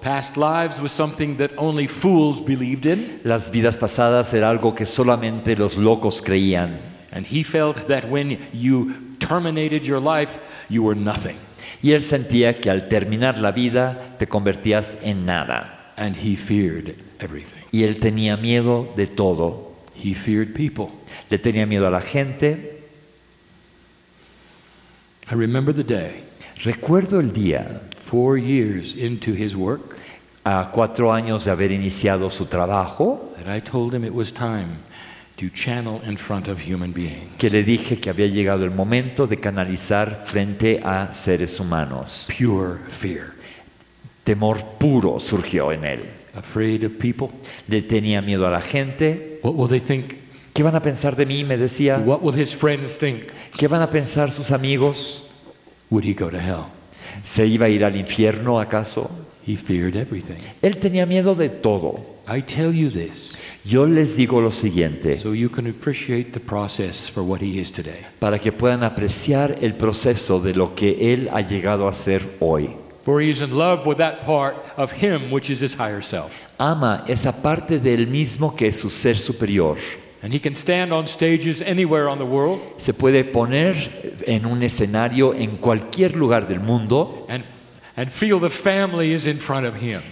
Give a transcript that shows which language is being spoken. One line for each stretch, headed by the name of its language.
English: Past lives was something that only fools believed in.
Spanish: Las vidas pasadas era algo que solamente los locos creían.
English: And he felt that when you terminated your life, you were nothing.
Spanish: Y él sentía que al terminar la vida te convertías en nada.
English: And he feared everything.
Spanish: Y él tenía miedo de todo.
English: He feared people.
Spanish: Le tenía miedo a la gente.
English: I remember the day.
Spanish: Recuerdo el día.
English: 4 years into his work.
Spanish: A 4 años de haber iniciado su trabajo.
English: That I told him it was time to channel in front of human beings.
Spanish: Que le dije que había llegado el momento de canalizar frente a seres humanos.
English: Pure fear.
Spanish: Temor puro surgió en él.
English: Afraid of people.
Spanish: Le tenía miedo a la gente.
English: What will they think?
Spanish: ¿Qué van a pensar de mí? Me decía.
English: What will his friends think?
Spanish: ¿Qué van a pensar sus amigos?
English: Would he go to hell?
Spanish: ¿Se iba a ir al infierno acaso?
English: He feared everything.
Spanish: Él tenía miedo de todo.
English: I tell you this.
Spanish: Yo les digo lo siguiente.
English: So you can appreciate the process for what he is today.
Spanish: Para que puedan apreciar el proceso de lo que él ha llegado a ser hoy.
English: For he is in love with that part of him which is his higher self.
Spanish: Ama esa parte de él mismo que es su ser superior.
English: And he can stand on stages anywhere on the world.
Spanish: Se puede poner en un escenario en cualquier lugar del mundo.
English: And feel the family is in front of him.